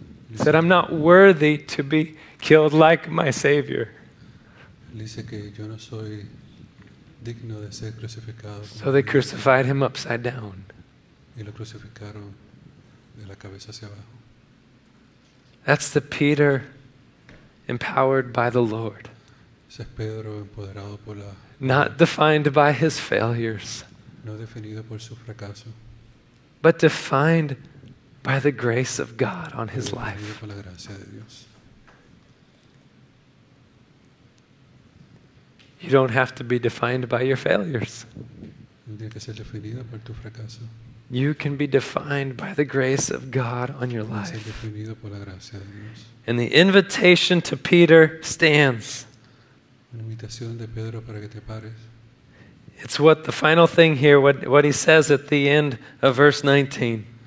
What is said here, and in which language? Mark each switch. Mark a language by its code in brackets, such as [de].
[en] He said, I'm not worthy to be killed like my Savior. [es] Dice que yo no soy digno de ser crucificado. [en] So they crucified him upside down. [es] Y lo crucificaron de la cabeza hacia abajo. [en] That's the Peter empowered by the Lord. [es] Ese es Pedro empoderado por la, [en] not defined by his failures, [es] no definido por su fracaso, [en] but defined by the grace of God on his life. [es] Por la gracia de Dios. [en] You don't have to be defined by your failures. [es] No tiene que ser definido por tu fracaso. [en] You can be defined by the grace of God on your life. [es] Ser definido por la gracia de Dios. [en] And the invitation to Peter stands. [es] Una invitación de Pedro para que te pares. [en] It's what the final thing here, what he says at the end of verse 19.